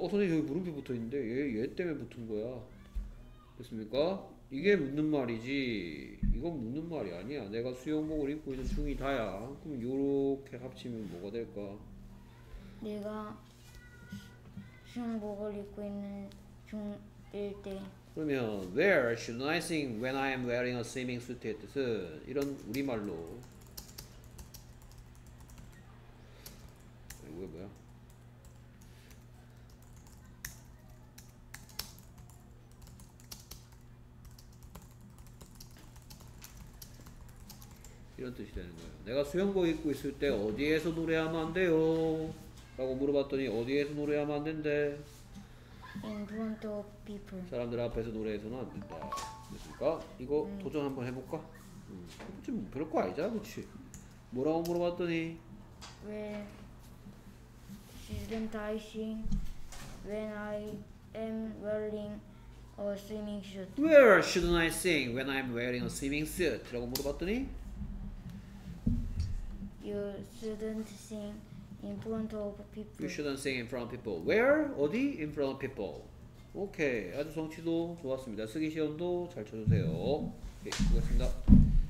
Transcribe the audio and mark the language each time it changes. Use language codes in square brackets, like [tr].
[ko] 선생님 여기 물음표 붙어 있는데 얘 때문에 붙은 거야. 됐습니까? 이게 묻는 말이지. 이건 묻는 말이 아니야. 내가 수영복을 입고 있는 중이다야. 그럼 요렇게 합치면 뭐가 될까? 내가 수영복을 입고 있는 중일 때. 그러면 [en] Where should I sing when I am wearing a swimming suit의 [ko] 뜻은 이런 우리말로. 이게 뭐야? 이런 뜻이 되는 거예요. 내가 수영복 입고 있을 때 어디에서 노래하면 안 돼요? 라고 물어봤더니 어디에서 노래하면 안 된대. [en] In front of people. [ko] 사람들 앞에서 노래해서는 안 된다. 됐습니까? 이거 도전 한번 해볼까? 좀 별거 아니잖아, 그치? 뭐라고 물어봤더니 [en] Where shouldn't I sing when I am wearing a swimming suit? Where shouldn't I sing when I'm wearing a swimming suit? [ko] 라고 물어봤더니 [en] You shouldn't sing in front of You people. shouldn't sing in front of people. Where? [ko] 어디? [en] In front of people. [ko] 오케이. 아주 성취도 좋았습니다. 쓰기 시험도 잘 쳐주세요. 오케이. 수고하셨습니다.